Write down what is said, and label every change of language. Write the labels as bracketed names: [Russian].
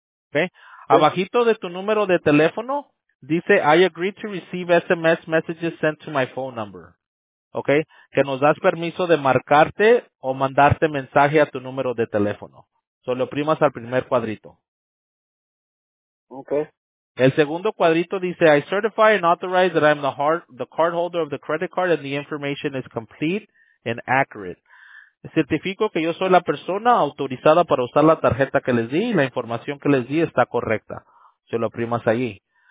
[English] Okay. [Spanish] Abajito de tu número de teléfono, dice, [English] I agree to receive SMS messages sent to my phone number. [Spanish] Okay, que nos das permiso de marcarte o mandarte mensaje a tu número de teléfono. Solo oprimas al primer cuadrito. Okay. El segundo cuadrito dice, [English] I certify and authorize that I'm the cardholder of the credit card and the information is complete and accurate. [Spanish] Certifico que yo soy la persona autorizada para usar la tarjeta que les di y la información que les di está correcta. Se lo oprimas allí.